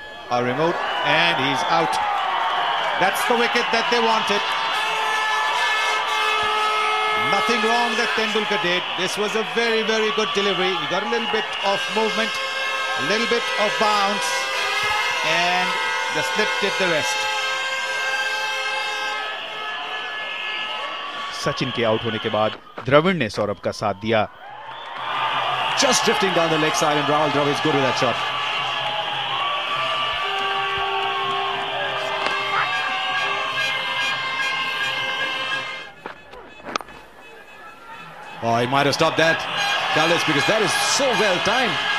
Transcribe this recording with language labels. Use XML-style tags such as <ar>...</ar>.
<en>A remote, and he's out. That's the wicket that they wanted. Nothing wrong that Tendulkar did. This was a very, very good delivery. He got a little bit of movement, a little bit of bounce, and the slip did the rest.</en> <hi>Sachin के out होने के बाद द्रविड़ ने सौरभ का साथ दिया।</hi> <en>Just drifting down the leg side and Rahul Dravid is good with that shot. Oh, he might have stopped that, Dallas, because that is so well timed.</en>